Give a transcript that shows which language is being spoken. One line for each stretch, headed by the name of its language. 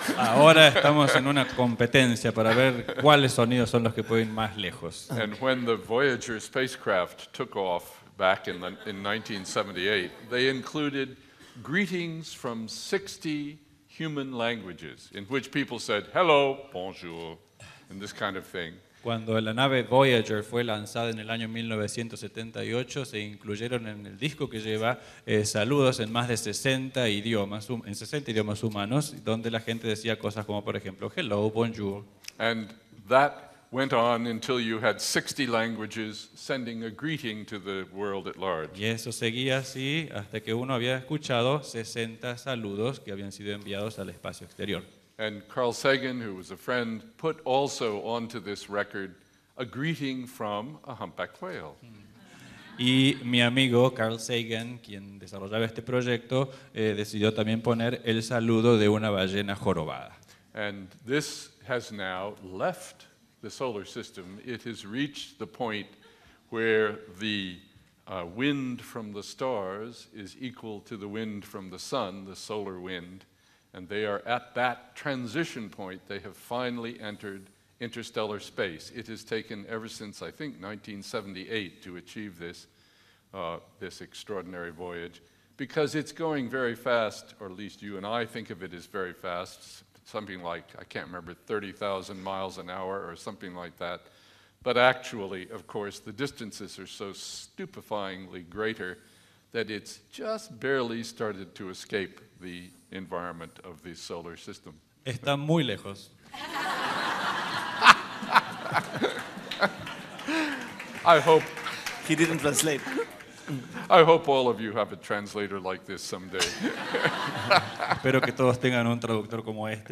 Spanish: Ahora estamos en una competencia para ver cuáles sonidos son los que pueden ir más lejos.
English: And when the Voyager spacecraft took off back in 1978, they included greetings from 60 human languages, in which people said hello, bonjour, and this kind of thing.
Spanish: Cuando la nave Voyager fue lanzada en el año 1978, se incluyeron en el disco que lleva saludos en más de 60 idiomas, en 60 idiomas humanos, donde la gente decía cosas como, por ejemplo, hello, bonjour.
English: And that went on until you had 60 languages sending a greeting to the world at large.
Spanish: Y eso seguía así hasta que uno había escuchado 60 saludos que habían sido enviados al espacio exterior.
English: And Carl Sagan, who was a friend, put also onto this record a greeting from a humpback whale.
Spanish: Y mi amigo Carl Sagan, quien desarrollaba este proyecto, decidió también poner el saludo de una ballena jorobada.
English: And this has now left the solar system. It has reached the point where the wind from the stars is equal to the wind from the sun, the solar wind, and they are at that transition point. They have finally entered interstellar space. It has taken ever since, I think, 1978 to achieve this, this extraordinary voyage, because it's going very fast, or at least you and I think of it as very fast, something like, I can't remember, 30,000 miles an hour or something like that. But actually, of course, the distances are so stupefyingly greater that it's just barely started to escape the environment of the solar system.
Spanish: Está muy lejos.
English: I hope he didn't translate. I hope all of you have a translator like this someday.
Spanish: Espero que todos tengan un traductor como este.